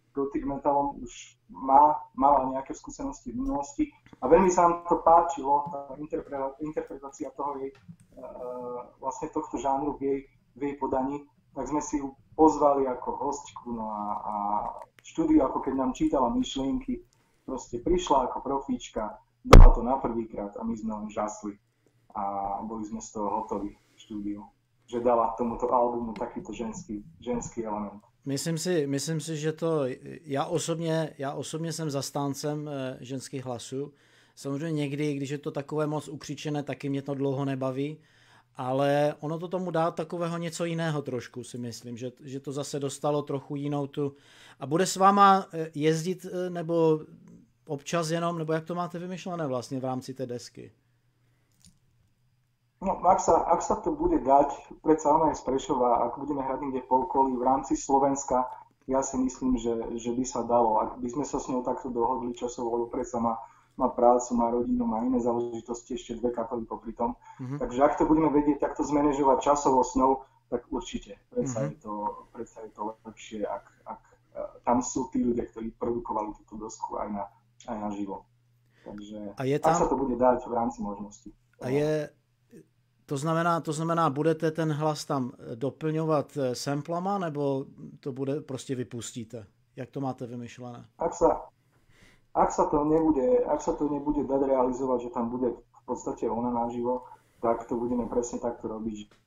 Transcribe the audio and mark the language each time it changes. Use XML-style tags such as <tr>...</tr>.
<sk>dotyk metalom už mala nejaké skúsenosti v minulosti a veľmi sa nám to páčilo, tá interpretácia toho jej, vlastne tohto žánru v jej podaní, tak sme si ju pozvali ako hostku na štúdiu, ako keď nám čítala myšlienky, proste prišla ako profíčka, dala to na prvýkrát a my sme len žasli a boli sme z toho hotoví v štúdiu, že dala tomuto albumu takýto ženský element.</sk> <cs>Myslím si, že to já osobně jsem zastáncem ženských hlasů. Samozřejmě někdy, když je to takové moc ukřičené, taky mě to dlouho nebaví, ale ono to tomu dá takového něco jiného trošku, si myslím, že to zase dostalo trochu jinou tu. A bude s váma jezdit nebo občas jenom, nebo jak to máte vymyšlené vlastně v rámci té desky?</cs> <sk>No, ak sa to bude dať, predsa ona je z Prešova, ak budeme hrať niekde po okolí v rámci Slovenska, ja si myslím, že by sa dalo. Ak by sme sa s ňou takto dohodli časovo, predsa má prácu, má rodinu, má iné záležitosti, ešte dve kapely popri tom. Mm-hmm. Takže ak to budeme vedieť takto zmanéžovať časovo s ňou, tak určite. Predsa, mm-hmm. je to lepšie, ak tam sú tí ľudia, ktorí produkovali túto dosku aj na živo. Takže a je tam... ak sa to bude dať v rámci možností.</sk> <cs>To znamená, budete ten hlas tam doplňovat samplama, nebo to bude prostě vypustíte? Jak to máte vymyšlené?</cs> <sk>Ak sa to nebude dať realizovat, že tam bude v podstatě ona naživo, tak to budeme přesně tak to robiť.</sk>